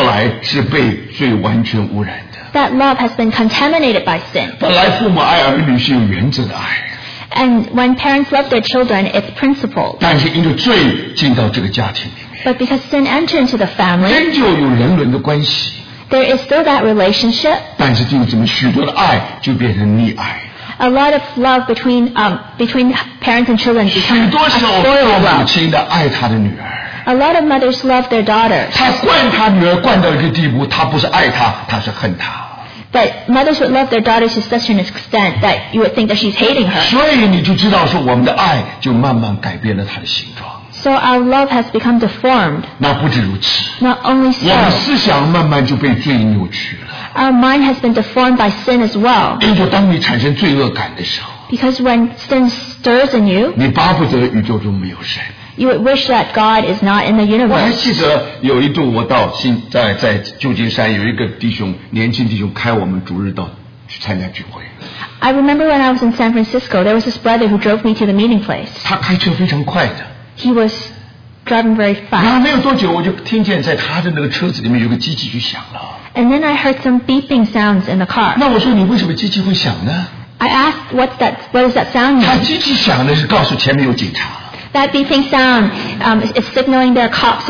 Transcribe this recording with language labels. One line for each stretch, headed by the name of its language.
Chinese: 那个爱实在说来是被罪完全污染的,
English: that love has been contaminated by sin.
Chinese: 本来父母爱儿女是有原则的爱,
English: and when parents love their children, it's principled.
Chinese: 但是因为罪进到这个家庭里面,
English: but because sin entered into the family,
Chinese: 仍旧有人伦的关系,
English: there is still that relationship.
Chinese: 但是弟兄姊妹许多的爱就变成溺爱,
English: a lot of love between, between parents and children becomes a spoiled love. A lot of mothers love their daughters.
Chinese: 她惯她女儿惯到一个地步,她不是爱她,她是恨她。
English: But mothers would love their daughters to such an extent that you would think that she's hating her. So our love has become deformed.
Chinese: 那不止如此,
English: not only so, our mind has been deformed by sin as well. Because when sin stirs in you,
Chinese: 你巴不得宇宙中没有神,
English: you would wish that God is not in the universe.
Chinese: 我还记得有一度我到新在旧金山有一个弟兄年轻弟兄开我们主日到去参加聚会,
English: I remember when I was in San Francisco, there was this brother who drove me to the meeting place.
Chinese: 他开车非常快的,
English: he was driving very fast.
Chinese: 然后没有多久我就听见在他的那个车子里面有个机器就响了,
English: and then I heard some beeping sounds in the car.
Chinese: 那我说你为什么机器会响呢,
English: I asked what does that sound mean.
Chinese: 他机器响的是告诉前面有警察,
English: that beeping sound is signaling there are cops